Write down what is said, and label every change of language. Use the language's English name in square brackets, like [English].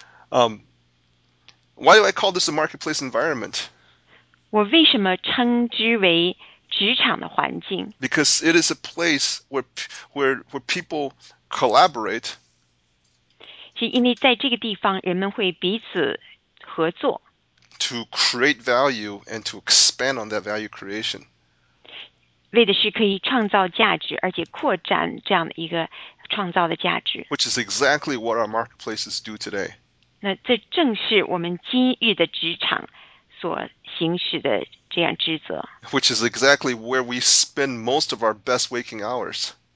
[English] Why do I call this a marketplace environment？ [Chinese] 我为什么称之为职场的环境？ [English] Because it is a place where people collaborate. [Chinese] 是因为在这个地方，人们会彼此合作。 [English] To create value and to expand on that value creation. [Chinese] 为的是可以创造价值，而且扩展这样的一个创造的价值。 [English] Which is exactly what our marketplaces do today. [Chinese] 那这正是我们今日的职场所行使的这样职责。 [English] Which is exactly where we spend most of our best waking hours.